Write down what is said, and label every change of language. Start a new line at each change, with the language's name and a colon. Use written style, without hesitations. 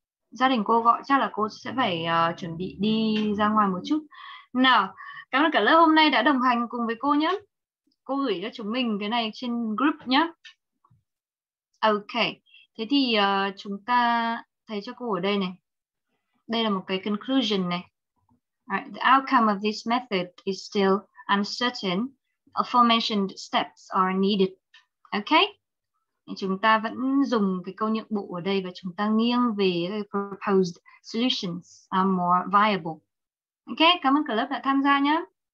Vietnamese: Gia đình cô gọi, chắc là cô sẽ phải chuẩn bị đi ra ngoài một chút. Nào, cảm ơn cả lớp hôm nay đã đồng hành cùng với cô nhé. Cô gửi cho chúng mình cái này trên group nhé. Ok, thế thì chúng ta thấy cho cô ở đây này. Đây là một cái conclusion này.
English: Right. The outcome of this method is still uncertain. Aforementioned steps are needed. Okay?
Vietnamese: Chúng ta vẫn dùng cái câu nhượng bộ ở đây và chúng ta nghiêng về
English: proposed solutions are more viable.
Vietnamese: Okay? Cảm ơn cả lớp đã tham gia nhé.